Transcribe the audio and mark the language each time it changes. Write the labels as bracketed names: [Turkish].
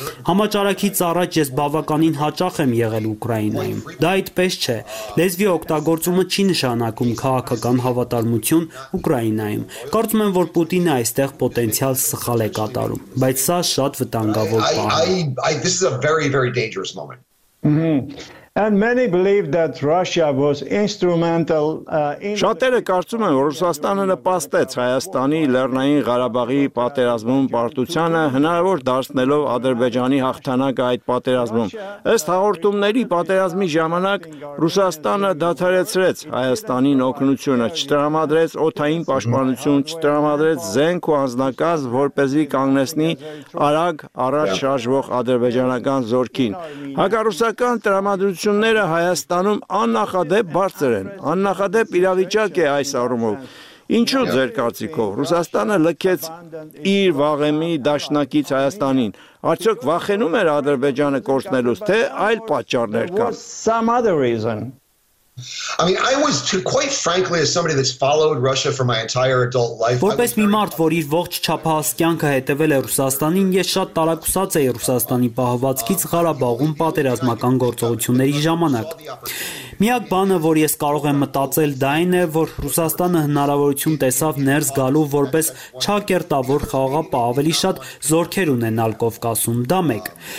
[Armenian] Համաճարակից առաջ ես բավականին հաճախ եմ եղել Ուկրաինայում։ Դա այդպես չէ, լեզվի օգտագործումը չի նշանակում քաղաքական հավատարմություն Ուկրաինայում։ Կարծում եմ, որ Պուտինը այստեղ պոտենցիալ սխալ է կատարում, բայց սա շատ վտանգավոր բան է։ [English] This is a very, very dangerous moment. Mm-hmm. And many believe that Russia was instrumental [Armenian] in Շատերը կարծում են, որ Ռուսաստանը նպաստեց Հայաստանի Լեռնային Ղարաբաղի պատերազմում պարտությանը, հնարավոր դարձնելով Ադրբեջանի հաղթանակը այդ պատերազմում։ Ըստ հաղորդումների, պատերազմի ժամանակ Ռուսաստանը դադարեցրեց Հայաստանի օգնությունը, չտրամադրեց օթային պաշտպանություն, չտրամադրեց զենք ու անձնակազմ, որպեսզի կանգնեցնի արագ առաջ շարժվող ադրբեջանական զորքին։ Հակառուսական տրամադրությունները Հայաստանում աննախադեպ բարձր են, աննախադեպ իրավիճակ է այս առումով։ Ինչու ձեր կարծիքով Ռուսաստանը լքեց իր վաղեմի դաշնակից Հայաստանին, արդյոք վախենում էր Ադրբեջանը կորցնելուց, թե այլ պատճառներ կան։ [English] I mean, I was too, quite frankly, as somebody that's followed Russia for my entire adult life. [Armenian] Որպես մի մարդ, որ իր ողջ չափահասկյանքը հետևել է Ռուսաստանին, ես շատ տարակուսած էի Ռուսաստանի պահվածքից Ղարաբաղում պատերազմական գործողությունների ժամանակ։ Միակ բանը, որ ես կարող եմ մտածել, դա այն է, որ Ռուսաստանը հնարավորություն տեսավ ներս գալու որպես չակերտավոր խաղապահ, ավելի շատ զորքեր ունենալ Կովկասում, դա մեկ։